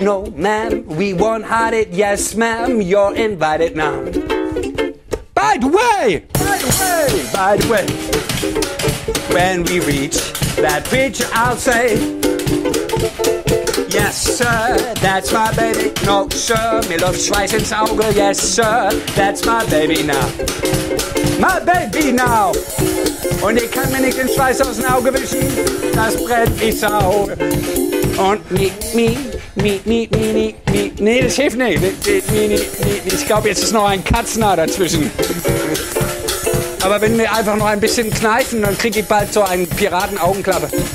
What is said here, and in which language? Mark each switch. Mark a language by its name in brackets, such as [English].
[English] No, ma'am, we won't hide it. Yes, ma'am, you're invited now. By the way, by the way, by the way, when we reach that bridge, I'll say, yes, sir, that's my baby. No, sir, [German] mir läuft Schweiß ins Auge. [English] Yes, sir, that's my baby now. My baby now. [German] Und ich kann mir nicht den Schweiß aus dem Auge wischen. Das brennt wie Sau. Und nee, das hilft nicht. Ich glaube, jetzt ist noch ein Katzenhaar dazwischen. Aber wenn wir einfach noch ein bisschen kneifen, dann kriege ich bald so einen Piraten-Augenklappe.